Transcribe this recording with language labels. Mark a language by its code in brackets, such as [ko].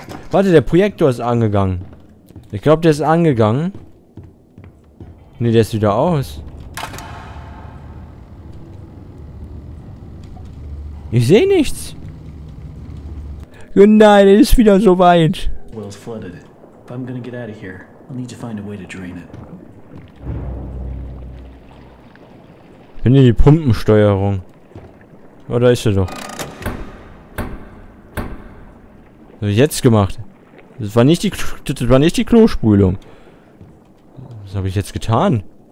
[de] Warte, der Projektor ist angegangen. Ich glaube, der ist angegangen. Ne, der ist wieder aus. Ich sehe nichts. Nein, es ist wieder so weit. [en] If I'm gonna get out of here, I'll need to find a way to drain it. [de] Finde die Pumpensteuerung. Oh, da ist sie doch. Was hab ich jetzt gemacht? Das war nicht die Klospülung. Was habe ich jetzt getan?